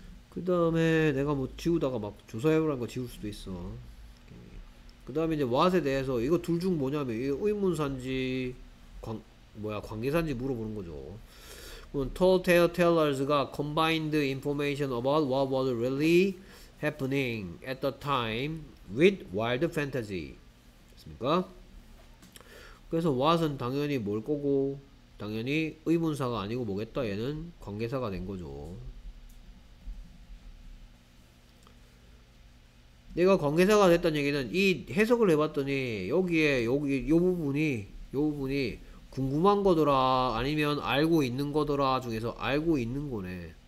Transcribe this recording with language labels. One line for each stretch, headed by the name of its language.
Korean: 그다음에 내가 뭐 지우다가 막 조사해보라는 거 지울 수도 있어. 그다음에 이제 what에 대해서 이거 둘중 뭐냐면 이게 의문사인지 뭐야 관계사인지 물어보는 거죠. 그럼
English: tall tale tellers가 combined information about what was really happening at the time with wild fantasy.
Korean: 됐습니까? 그래서 what은 당연히 뭘 거고 당연히 의문사가 아니고 뭐겠다 얘는 관계사가 된 거죠. 내가 관계사가 됐다는 얘기는 이 해석을 해봤더니 여기에 여기 요 부분이 궁금한 거더라 아니면 알고 있는 거더라 중에서 알고 있는 거네.